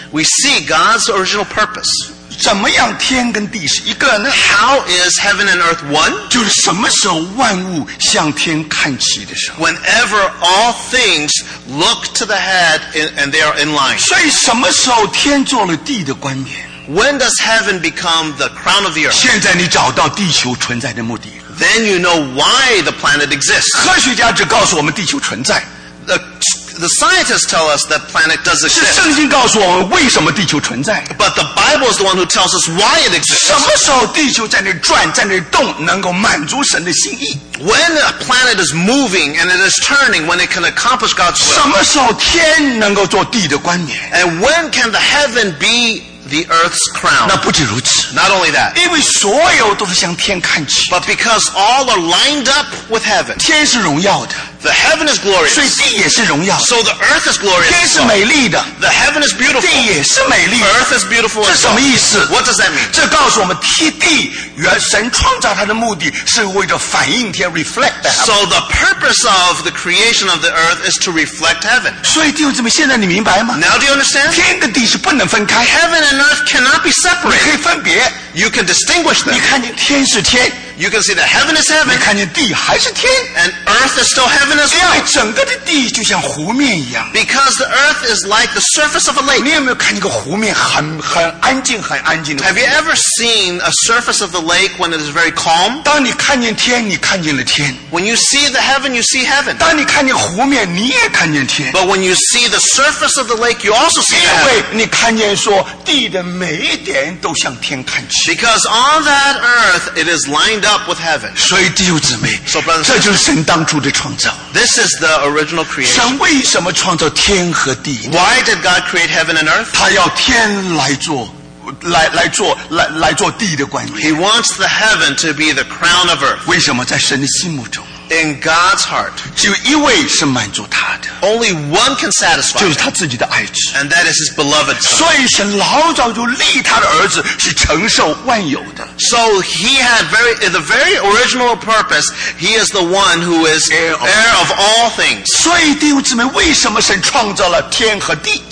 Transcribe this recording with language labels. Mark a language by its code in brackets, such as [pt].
[en] We see God's original purpose. [zh] 怎么样天跟地是一个呢？ [en] How is heaven and earth one? [zh] 就是什么时候万物向天看齐的时候。 [en] Whenever all things look to the head and they are in line. [zh] 所以什么时候天做了地的冠冕？ [en] When does heaven become the crown of the earth? [zh] 现在你找到地球存在的目的。 [en] Then you know why the planet exists. [zh] 科学家只告诉我们地球存在。 [en] The scientists tell us that planet does exist. [zh] 是圣经告诉我们为什么地球存在。 [en] But the Bible is the one who tells us why it exists. [zh] 什么时候地球在那转，在那动，能够满足神的心意？ [en] When a planet is moving and it is turning, when it can accomplish God's will. [zh] 什么时候天能够做地的冠冕？ [en] And when can the heaven be the earth's crown? [zh] 那不止如此。 [en] Not only that. [zh] 因为所有都是向天看齐。 [en] But because all are lined up with heaven. [zh] 天是荣耀的。 [en] The heaven is glorious. [zh] 所以地也是荣耀。 [en] So the earth is glorious. [zh] 天是美丽的。 [en] The heaven is beautiful. [zh] 地也是美丽的。 [en] Earth is beautiful. [zh] 这什么意思？ [en] What does that mean? [zh] 这告诉我们地原神创造它的目的是为了反映天 [en] reflect the heaven. So the purpose of the creation of the earth is to reflect heaven. [zh] 所以弟兄姊妹现在你明白吗？ [en] Now do you understand? [zh] 天跟地是不能分开。 [en] Heaven and earth cannot be separated. [zh] 你可以分别。 [en] You can distinguish them. [zh] 你看见天是天。 [en] You can see that heaven is heaven. [zh] 你看见地还是天。 [en] And earth is still heaven as well. [zh] 因为整个的地就像湖面一样。 [en] Because the earth is like the surface of a lake. [zh] 你有没有看一个湖面很安静很安静的？ [en] Have you ever seen a surface of the lake when it is very calm? [zh] 当你看见天，你看见了天。 [en] When you see the heaven, you see heaven. [zh] 当你看见湖面，你也看见天。 [en] But when you see the surface of the lake, you also see heaven. [zh] 因为你看见说地的每一点都向天看齐。 [en] Because on that earth, it is lined up. Up with heaven. [zh] 所以弟兄姊妹 [en] so, brothers, [zh] 这就是神当初的创造 [en] This is the original creation. [zh] 神为什么创造天和地 [en] Why did God create heaven and earth? [zh] 他要天来做 来做地的冠冕 [en] He wants the heaven to be the crown of earth. [zh] 为什么在神的心目中 [en] In God's heart. [zh] 只有一位是满足他的 [en] Only one can satisfy [zh] 就是他自己的爱子 [en] And that is his beloved son. [zh] 所以神老早就立他的儿子是承受万有的 [en] So he had very, the very original purpose, he is the one who is heir of all things. [zh] 所以弟兄姊妹，为什么神创造了天和地？